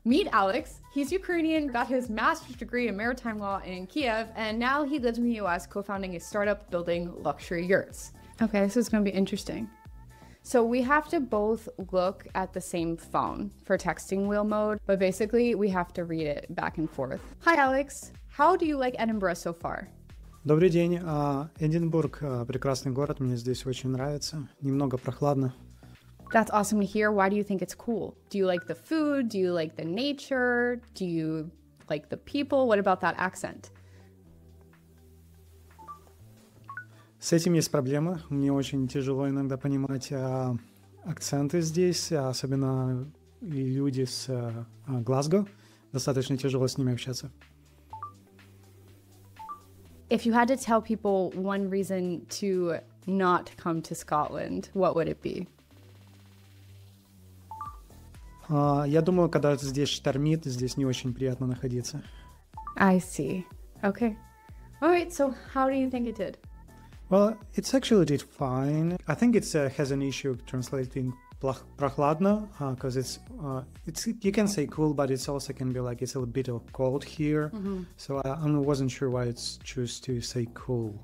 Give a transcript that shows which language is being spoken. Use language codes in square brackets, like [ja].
[en] Meet Alex. He's Ukrainian, got his master's degree in maritime law in Kiev, and now he lives in the US, co-founding a startup building luxury yurts. Okay, this is gonna be interesting. So we have to both look at the same phone for texting wheel mode, but basically we have to read it back and forth. Hi, Alex. How do you like Edinburgh so far? [ru] Добрый день. Эдинбург – прекрасный город. Мне здесь очень нравится. Немного прохладно. [en] That's awesome to hear. Why do you think it's cool? Do you like the food? Do you like the nature? Do you like the people? What about that accent? [ru] С этим есть проблема. Мне очень тяжело иногда понимать акценты здесь, особенно люди с Глазго. Достаточно тяжело с ними общаться. [en] If you had to tell people one reason to not come to Scotland, what would it be? [ru] Я думаю, когда здесь штормит, здесь не очень приятно находиться. [en] I see. Okay. All right, so how do you think it did? Well, it actually did fine. I think it has an issue translating прохладно, because it's you can say cool, but it also can be like it's a little bit of cold here. Mm-hmm. So I wasn't sure why it's choose to say cool.